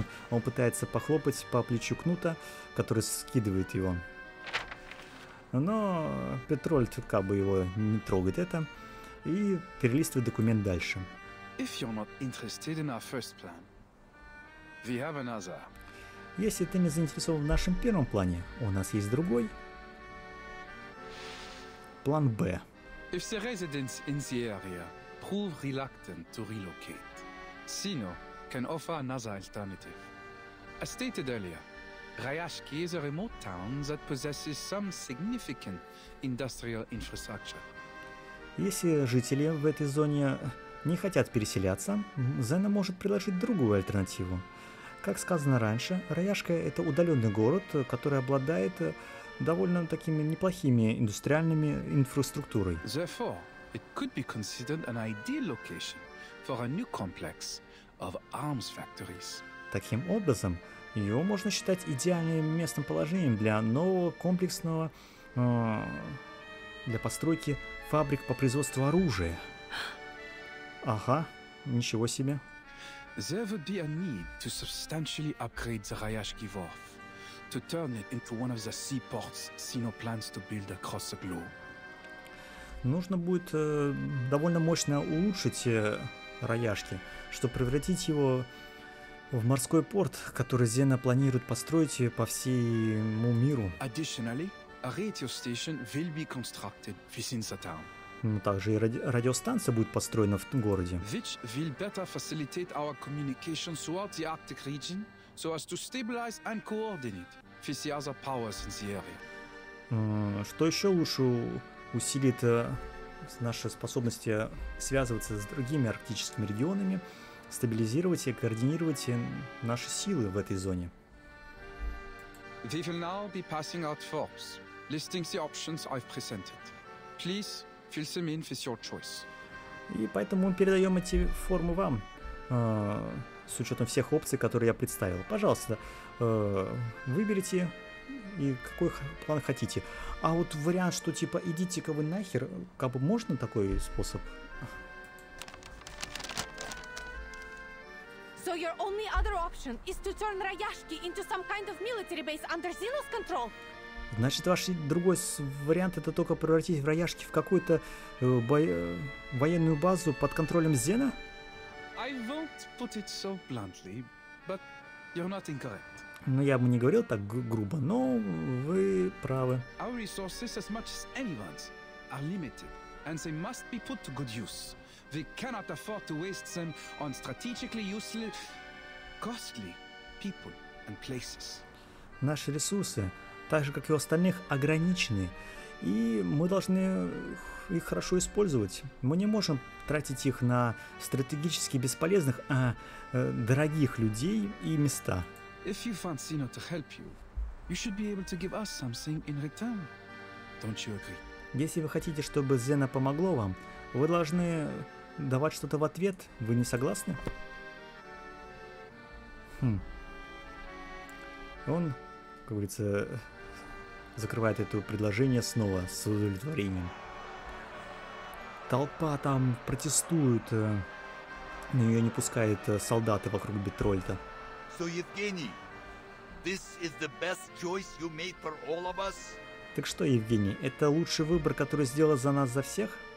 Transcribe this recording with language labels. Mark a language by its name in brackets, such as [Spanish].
[Russian] Он пытается похлопать по плечу Кнута, который скидывает его. Но Петрольд как бы его не трогает это и перелистывает документ дальше. [English] If you're not interested in our first plan, we have another. [Russian] Если ты не заинтересован в нашем первом плане, у нас есть другой. План Б. [English] If the residents in the area prove reluctant to relocate, Sino can offer another alternative. As stated earlier, Ryashki is a remote town that possesses some significant industrial infrastructure. [Russian] Если жители в этой зоне не хотят переселяться, Зена может предложить другую альтернативу. Как сказано раньше, Ryashka — это удаленный город, который обладает довольно такими неплохими индустриальными инфраструктурой. [English] Therefore, it could be considered an ideal location for a new complex of arms factories. [Russian] Таким образом, его можно считать идеальным местным положением для нового комплексного для постройки фабрик по производству оружия. Ага, ничего себе. [English] There would be a need to substantially upgrade the Ryashki Wharf to turn it into one of the seaports Sino plans to build across the globe. [Russian] Нужно будет довольно мощно улучшить Ryashki, чтобы превратить его в морской порт, который Зена планирует построить по всему миру. [English] Additionally, a radio station will be constructed within the town. [Russian] Но также и радиостанция будет построена в городе. [English] Which will better facilitate our communication throughout the Arctic region, so as to stabilize and coordinate with the other powers in the area. [Russian] Что еще лучше усилит наши способности связываться с другими арктическими регионами, стабилизировать и координировать наши силы в этой зоне. [English] We will now be passing out forms, listing the options I've presented. Please fill them in with your choice. [Russian] И поэтому мы передаем эти формы вам, с учетом всех опций, которые я представил. Пожалуйста, выберите и какой план хотите. А вот вариант, что типа идите-ка вы нахер, как бы можно такой способ? [English] So your only other option is to turn Ryashki into some kind of military base under Zeno's control. [Russian] Значит, ваш другой вариант это только превратить Ryashki в какую-то военную базу под контролем Зена? [English] I won't put it so bluntly, but you're not incorrect. [Russian] Ну, я бы не говорил так грубо, но вы правы. [English] Our resources, as much as anyone's, are limited, and they must be put to good use. We cannot afford to waste them on strategically useless, costly people and places. [Russian] Наши ресурсы, так же как и у остальных, ограничены, и мы должны их хорошо использовать. Мы не можем тратить их на стратегически бесполезных, а дорогих людей и места. [English] If you find Sino to help you, you should be able to give us something in return. Don't you agree? [Russian] Если вы хотите, чтобы Зена помогло вам, вы должны давать что-то в ответ. Вы не согласны? Он как говорится, закрывает это предложение снова с удовлетворением. Толпа там протестует, но ее не пускают солдаты вокруг Бетрольта. [English] So, Евгений, this is the best choice you made for all of us? [Russian] Так что, Евгений, это лучший выбор, который сделал за нас за всех?